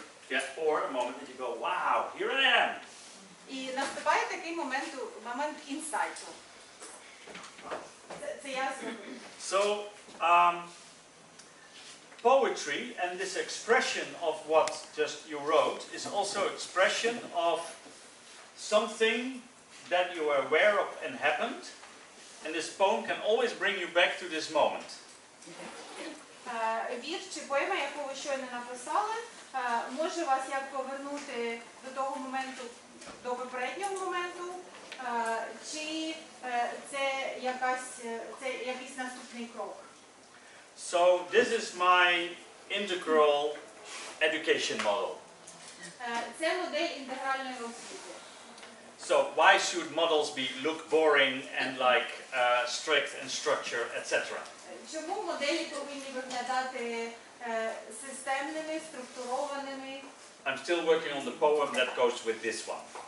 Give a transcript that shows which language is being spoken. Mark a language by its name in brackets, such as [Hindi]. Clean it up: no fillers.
[English] Yeah, or a moment that you go, wow, here I am. [Ukrainian] І наступає такий момент інсайту. Це ясно. [English] So, poetry and this expression of what just you wrote is also expression of something that you are aware of and happened, and this poem can always bring you back to this moment. [Ukrainian] Вірш чи поема, яку ви щойно написали, може вас як повернути до того моменту, до попереднього моменту, чи це якийсь наступний крок. [English] So this is my integral education model. [Ukrainian] Це модель інтегральної освіти. [English] So why should models be look boring and like strict and structure, etc.? [Ukrainian] Чому моделі повинні виглядати системними, структурованими? [English] I'm still working on the poem that goes with this one.